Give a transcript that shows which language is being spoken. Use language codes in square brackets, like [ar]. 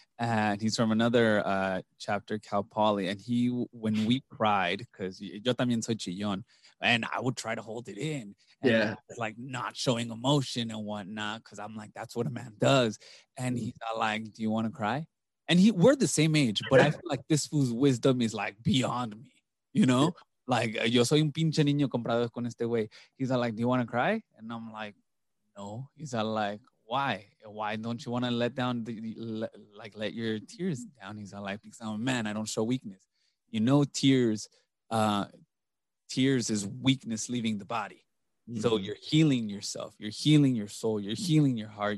[en] And he's from another chapter, Cal Poly. And he, when we cried, because [es] yo también soy chillón, [en] and I would try to hold it in. And like not showing emotion and whatnot, because I'm like, that's what a man does. And he's like, do you want to cry? And we're the same age, but I feel like this fool's wisdom is like beyond me, you know? [es] Like, yo soy un pinche niño comprado con este güey. [en] He's like, do you want to cry? And I'm like, no. He's like, why? Why don't you want to let down, let your tears down? He's like, because I'm a man. I don't show weakness. You know, tears is weakness leaving the body. Mm-hmm. So you're healing yourself. You're healing your soul. You're healing your heart.